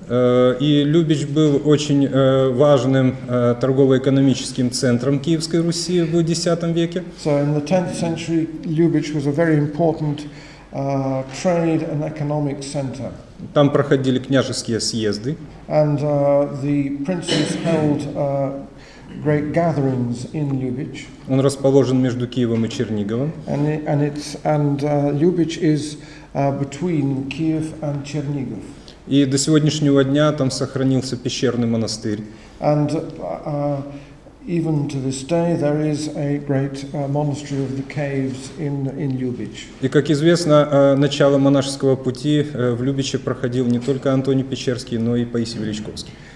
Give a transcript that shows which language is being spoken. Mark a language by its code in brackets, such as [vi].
[ru] И Любич был очень важным торгово-экономическим центром Киевской Руси в X веке. [en] So in the 10th century, Lubich was a very important trade and economic center. [ru] Там проходили княжеские съезды. [en] And the princes held great gatherings in Lubich. [ru] Он расположен между Киевом и Черниговом. [en] Lubich is between Kiev and Chernigov. [ru] И до сегодняшнего дня там сохранился пещерный монастырь. [en] And even to this day there is a great monastery of the caves in Lubich. [ru] И как известно, начало монашеского пути в Любиче проходил не только Антоний Печерский, но и Паисий Величковский.